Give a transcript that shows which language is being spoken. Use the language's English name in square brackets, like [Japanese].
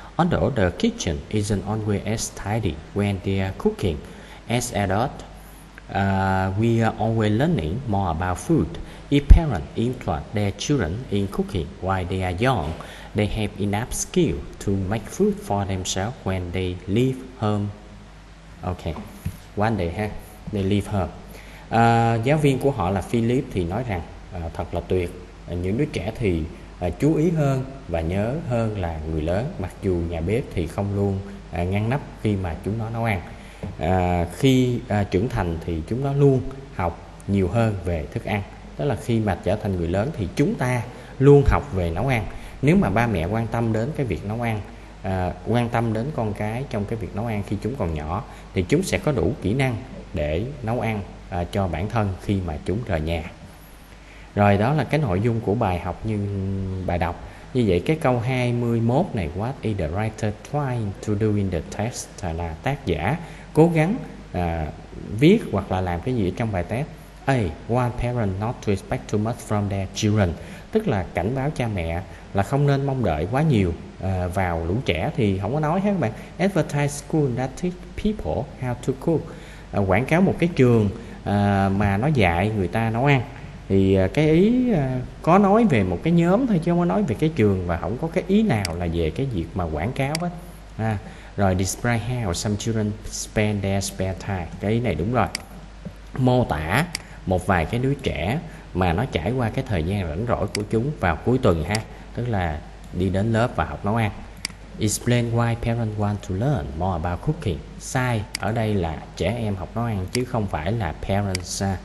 [English] Although the kitchen isn't always as tidy when they are cooking, as adults, we are always learning more about food. If parents influence their children in cooking while they are young, they have enough skill to make food for themselves when they leave home. Okay, one day, huh? They leave home. [Vietnamese] Giáo viên của họ là Philip thì nói rằng thật là tuyệt. Những đứa trẻ thì chú ý hơn và nhớ hơn là người lớn, mặc dù nhà bếp thì không luôn ngăn nắp khi mà chúng nó nấu ăn. Khi trưởng thành thì chúng nó luôn học nhiều hơn về thức ăn. Đó là khi mà trở thành người lớn thì chúng ta luôn học về nấu ăn. Nếu mà ba mẹ quan tâm đến cái việc nấu ăn, quan tâm đến con cái trong cái việc nấu ăn khi chúng còn nhỏ, thì chúng sẽ có đủ kỹ năng để nấu ăn cho bản thân khi mà chúng rời nhà. Rồi đó là cái nội dung của bài học, như bài đọc. Như vậy cái câu 21 này, [English] What is the writer trying to do in the test, [Vietnamese] là tác giả cố gắng viết hoặc là làm cái gì trong bài test. A. [English] Warn parents not to expect too much from their children. [Vietnamese] Tức là cảnh báo cha mẹ là không nên mong đợi quá nhiều vào lũ trẻ thì không có nói hết các bạn. [English] Advertise school that teach people how to cook. [Vietnamese] Quảng cáo một cái trường mà nó dạy người ta nấu ăn. Thì cái ý có nói về một cái nhóm thôi chứ không có nói về cái trường, và không có cái ý nào là về cái việc mà quảng cáo hết. À, rồi [English] describe how some children spend their spare time. [Vietnamese] Cái ý này đúng rồi. Mô tả một vài cái đứa trẻ mà nó trải qua cái thời gian rảnh rỗi của chúng vào cuối tuần ha, tức là đi đến lớp và học nấu ăn. [English] Explain why parents want to learn more about cooking. [Vietnamese] Sai, ở đây là trẻ em học nấu ăn chứ không phải là parents.